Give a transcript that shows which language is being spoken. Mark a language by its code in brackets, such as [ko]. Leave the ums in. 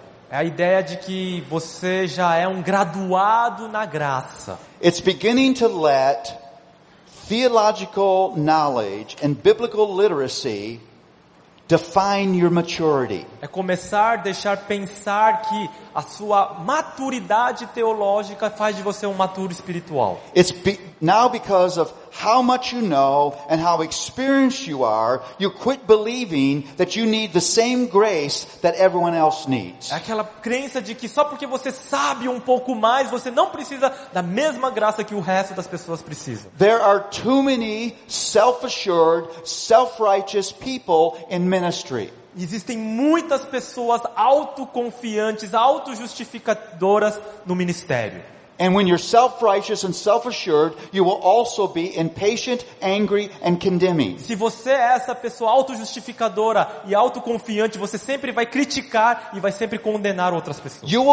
[pt] É a ideia de que você já é um graduado na graça. [en] It's beginning to let theological knowledge and biblical literacy define your maturity. [pt] É começar, a deixar pensar que a sua maturidade teológica faz de você um maturo espiritual. [en] It's be, now because of how much you know and how experienced you are, you quit believing that you need the same grace that everyone else needs. [pt] Aquela crença de que só porque você sabe um pouco mais, você não precisa da mesma graça que o resto das pessoas precisa. [en] There are too many self-assured, self-righteous people in ministry [pt] existem muitas pessoas autoconfiantes, autojustificadoras no ministério. E quando você é self-righteous e self-assured, você também será impaciente, impatient, e [en] and condemning. [pt] Se você é essa pessoa autojustificadora e autoconfiante, você sempre vai criticar e vai sempre condenar outras pessoas.